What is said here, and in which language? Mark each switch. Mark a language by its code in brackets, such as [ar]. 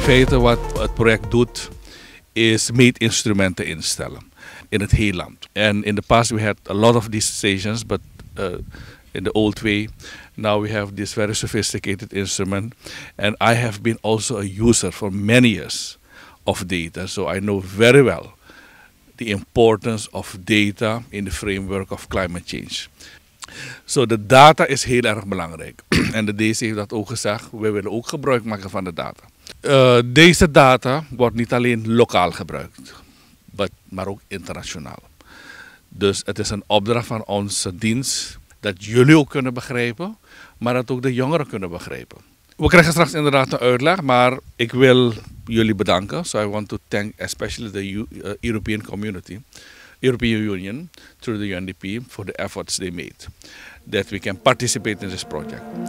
[nl] Wat het project doet, is meetinstrumenten instellen in het hele land. [en] En in the past we had a lot of these stations, but in the old way, now we have this very sophisticated instrument. And I have been also a user for many years of data, so I know very well the importance of data in the framework of climate change. So the data is [nl] heel erg belangrijk. En de DC heeft dat ook gezegd, we willen ook gebruik maken van de data. Deze data wordt niet alleen lokaal gebruikt, maar ook internationaal. Dus het is een opdracht van onze dienst dat jullie ook kunnen begrijpen, maar dat ook de jongeren kunnen begrijpen. We krijgen straks inderdaad een uitleg, maar ik wil jullie bedanken. [en] So I want to thank especially the European community, European Union, through the UNDP, for the efforts they made, that we can participate in this project.